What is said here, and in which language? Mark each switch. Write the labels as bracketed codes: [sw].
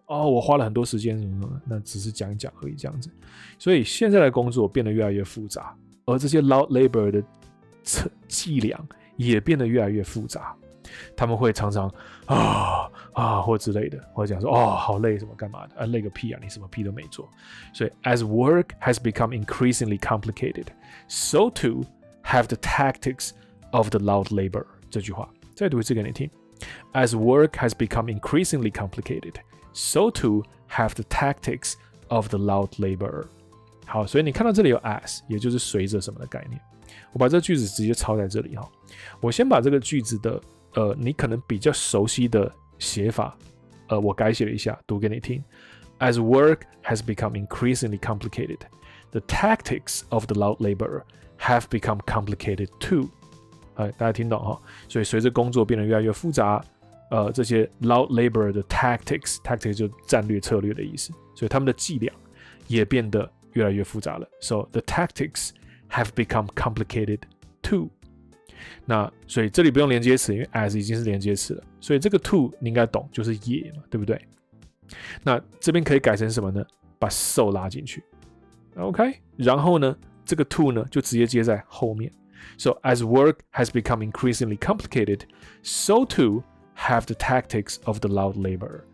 [zh] 哦，我花了很多时间什么什么，那只是讲一讲而已这样子。所以现在的工作变得越来越复杂，而这些 loud laborer 的伎俩也变得越来越复杂。他们会常常啊或之类的，或者讲说哦好累什么干嘛的，累个屁啊，你什么屁都没做。所以 [en] as work has become increasingly complicated, so too have the tactics of the loud labor. [zh] 这句话再读一次给你听。 [en] As work has become increasingly complicated, so too have the tactics of the loud labor. [zh] 好，所以你看到这里有 as, 也就是随着什么的概念。我把这句子直接抄在这里，我先把这个句子的你可能比较熟悉的写法，我改写了一下，读给你听。 [en] As work has become increasingly complicated, the tactics of the loud laborer have become complicated too. [zh] 大家听懂哈？所以随着工作变得越来越复杂，这些 loud laborer 的 tactics 就战略策略的意思，所以他们的伎俩也变得越来越复杂了。 [en] So the tactics have become complicated too. [zh] 那所以这里不用连接词，因为 as 已经是连接词了，所以这个 to 你应该懂，就是也嘛，对不对？那这边可以改成什么呢？把 so 拉进去 ，OK。然后呢，这个 to 呢就直接接在后面。 [en] So as work has become increasingly complicated, so too have the tactics of the loud laborer。